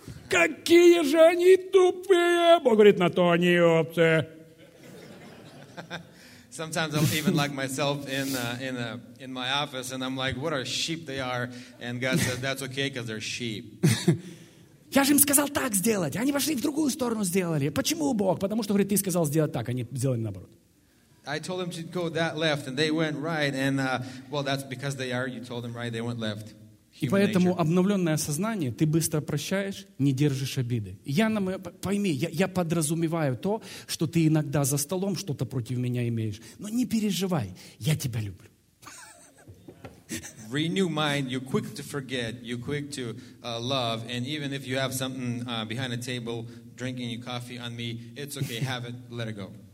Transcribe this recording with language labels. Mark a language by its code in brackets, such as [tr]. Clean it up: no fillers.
[ru] Какие же они тупые! Бог говорит, на то они овцы. [en] Sometimes I'm even like myself in my office, and I'm like, what a sheep they are. And God says, that's okay, because they're sheep. [ru] Я же им сказал так сделать. Они пошли в другую сторону сделали. Почему, Бог? Потому что, говорит, ты сказал сделать так, они сделали наоборот. [en] I told them to go that left, and they went right. And, well, that's because they are. You told them right, they went left. [ru] И поэтому обновленное сознание, ты быстро прощаешь, не держишь обиды. Я подразумеваю то, что ты иногда за столом что-то против меня имеешь. Но не переживай, я тебя люблю. [en] Renew mind, you're quick to forget, you're quick to love. And even if you have something behind the table, drinking your coffee on me, it's okay, have it, let it go.